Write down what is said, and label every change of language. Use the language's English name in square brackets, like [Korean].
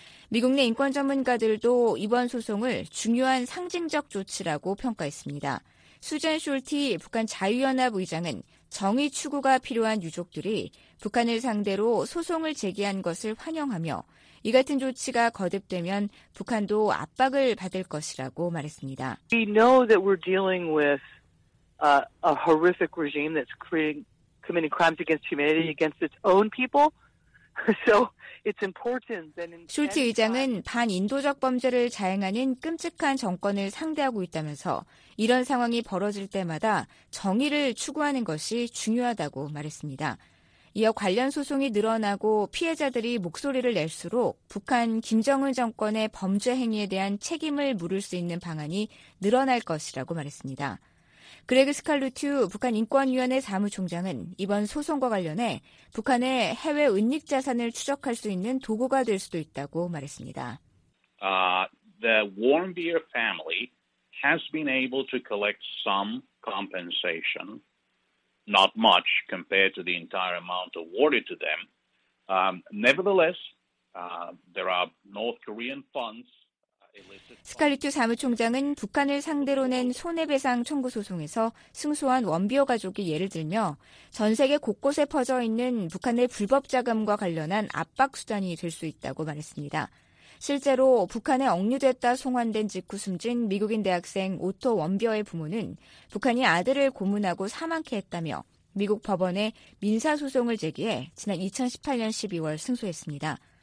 [Korean] 미국 내 인권 전문가들도 이번 소송을 중요한 상징적 조치라고 평가했습니다. 수잔 숄티 북한 자유연합 의장은 정의 추구가 필요한 유족들이 북한을 상대로 소송을 제기한 것을 환영하며 이 같은 조치가 거듭되면 북한도 압박을 받을 것이라고 말했습니다. [English] We know that we're dealing with a horrific regime that's creating committing crimes against humanity against its own people. So it's important that in [Korean] 슐츠 의장은 반인도적 범죄를 자행하는 끔찍한 정권을 상대하고 있다면서 이런 상황이 벌어질 때마다 정의를 추구하는 것이 중요하다고 말했습니다. 이어 관련 소송이 늘어나고 피해자들이 목소리를 낼수록 북한 김정은 정권의 범죄 행위에 대한 책임을 물을 수 있는 방안이 늘어날 것이라고 말했습니다. 그레그 스칼루튜 북한인권위원회 사무총장은 이번 소송과 관련해 북한의 해외 은닉 자산을 추적할 수 있는 도구가 될 수도 있다고 말했습니다. [English] The Warmbier family has been able to collect some compensation. Not much compared to the entire amount awarded to them. Nevertheless, there are North Korean funds. [Korean] 스칼리튜 사무총장은 북한을 상대로 낸 손해배상 청구 소송에서 승소한 원비어 가족이 예를 들며 전 세계 곳곳에 퍼져 있는 북한의 불법 자금과 관련한 압박 수단이 될 수 있다고 말했습니다. 실제로 북한에 억류됐다 송환된 직후 숨진 미국인 대학생 오토 원비어의 부모는 북한이 아들을 고문하고 사망케 했다며 미국 법원에 민사소송을 제기해 지난 2018년 12월 승소했습니다.